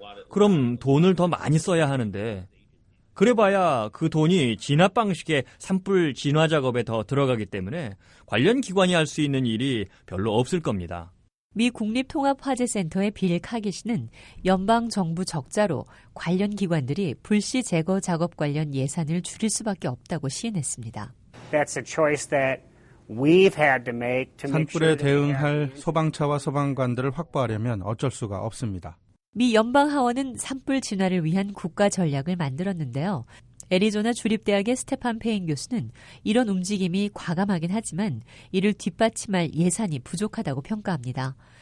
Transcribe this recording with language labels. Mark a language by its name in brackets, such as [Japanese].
[Korean] 그럼 돈을 더 많이 써야 하는데 그래봐야 그 돈이 진압 방식의 산불 진화 작업에 더 들어가기 때문에 관련 기관이 할 수 있는 일이 별로 없을 겁니다. 미 국립통합화재센터의 빌 카기 씨는 연방정부 적자로 관련 기관들이 불씨 제거 작업 관련 예산을 줄일 수밖에 없다고 시인했습니다. [English] That's a choice that we've had to make to [Korean] 산불에 대응할 소방차와 소방관들을 확보하려면 어쩔 수가 없습니다. 미 연방하원은 산불 진화를 위한 국가 전략을 만들었는데요. 애리조나 주립대학의 스테판 페인 교수는 이런 움직임이 과감하긴 하지만 이를 뒷받침할 예산이 부족하다고 평가합니다.